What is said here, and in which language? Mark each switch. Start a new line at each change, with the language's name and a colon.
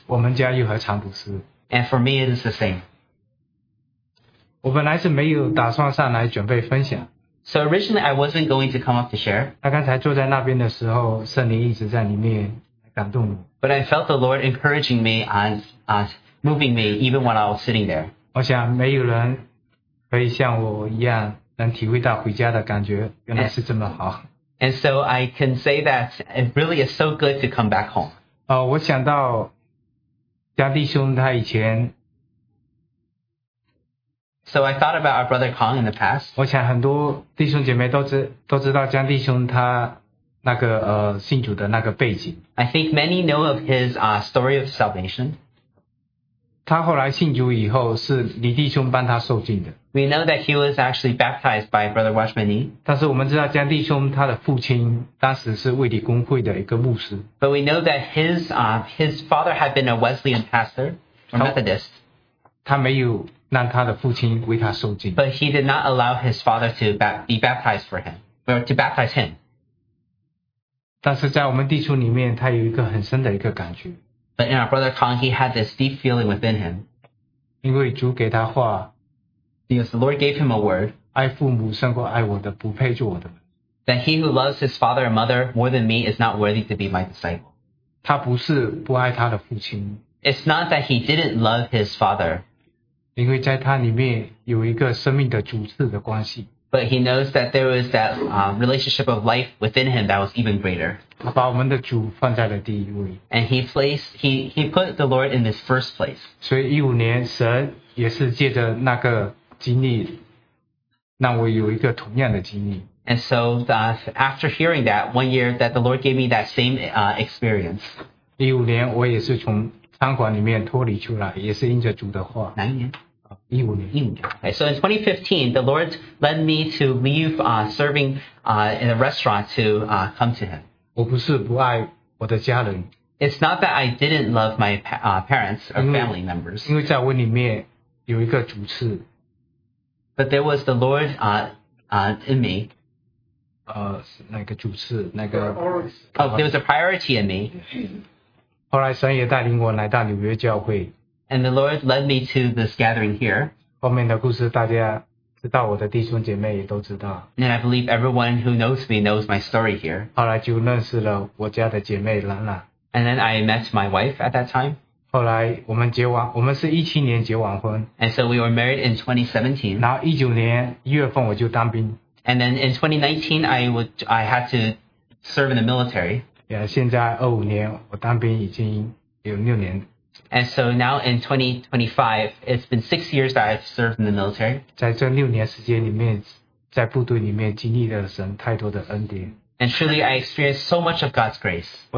Chinese: 我们家又何尝不是。
English: And for me, it is the same.
Chinese: 我本来是没有打算上来准备分享。
English: So originally, I wasn't going to come up to share.
Chinese: 那刚才坐在那边的时候，圣灵一直在里面感动我。
English: But I felt the Lord encouraging me and moving me even while I was sitting there.
Chinese: 我想没有人可以像我一样能体会到回家的感觉，原来是这么好。
English: And so I can say that it really is so good to come back home.
Chinese: 我想到江弟兄他以前。
English: So I thought about our brother Kong in the past.
Chinese: 我想很多弟兄姐妹都知道江弟兄他那个信主的那个背景。
English: I think many know of his story of salvation.
Chinese: 他后来信主以后是李弟兄帮他受浸的。
English: We know that he was actually baptized by Brother Watchman Nee.
Chinese: 但是我们知道江弟兄他的父亲当时是卫理公会的一个牧师。
English: But we know that his father had been a Wesleyan pastor, or Methodist.
Chinese: 他没有让他的父亲为他受浸。
English: But he did not allow his father to be baptized for him, or to baptize him.
Chinese: 但是在我们弟兄里面，他有一个很深的一个感觉。
English: But in our brother Kong, he had this deep feeling within him.
Chinese: 因为主给他话。
English: Because the Lord gave him a word.
Chinese: 爱父母胜过爱我的，不配做我的。
English: That he who loves his father and mother more than me is not worthy to be my disciple.
Chinese: 他不是不爱他的父亲。
English: It's not that he didn't love his father.
Chinese: 因为在他里面有一个生命的主次的关系。
English: But he knows that there was that relationship of life within him that was even greater.
Chinese: 他把我们的主放在了第一位。
English: And he put the Lord in his first place.
Chinese: 所以15年神也是借着那个经历让我有一个同样的经历。
English: And so after hearing that, one year that the Lord gave me that same experience.
Chinese: 15年我也是从餐馆里面脱离出来，也是因着主的话。哪一年？ 15年。
English: Okay, so in 2015, the Lord led me to leave serving in a restaurant to come to Him.
Chinese: 我不是不爱我的家人。
English: It's not that I didn't love my parents or family members.
Chinese: 因为在我里面有一个主次。
English: But there was the Lord in me.
Chinese: 那个主持那个
English: Oh, there was a priority in me.
Chinese: 后来神也带领我来到纽约教会。
English: And the Lord led me to this gathering here.
Chinese: 后面的故事大家知道，我的弟兄姐妹也都知道。
English: And I believe everyone who knows me knows my story here.
Chinese: 后来就认识了我家的姐妹兰兰。
English: And then I met my wife at that time.
Chinese: 后来我们结完，我们是17年结完婚。
English: And so we were married in 2017.
Chinese: 然后19年1月份我就当兵。
English: And then in 2019, I had to serve in the military.
Chinese: Yeah, 现在25年，我当兵已经有6年。
English: And so now in 2025, it's been 6 years that I've served in the military.
Chinese: 在这6年时间里面，在部队里面经历了神太多的恩典。
English: And truly, I experienced so much of God's grace.